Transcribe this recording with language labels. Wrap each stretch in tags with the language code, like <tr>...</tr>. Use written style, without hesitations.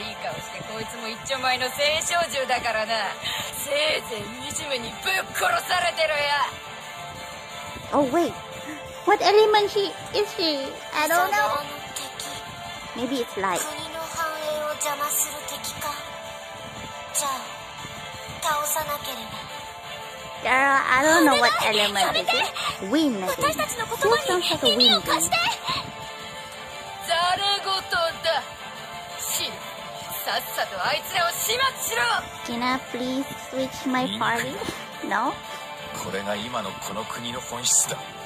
<ja>いい顔してこいつも一丁前の青少女だからな。せいぜい惨めにぶっ殺されてろや。</ja> <en>Oh wait, what element is she? I don't know. Maybe it's light.</en> <ja>国の繁栄を邪魔する敵か。じゃあ倒さなければ。</ja> <en>Girl, I don't know what element is it. Wind, I think.</en> <ja>私たちの言葉に耳を貸して。ザレゴトだ。シル、さっさとあいつらを始末しろ。</ja> <en>Can I please switch my party? No.</en> <ja>これが今のこの国の本質だ。</ja>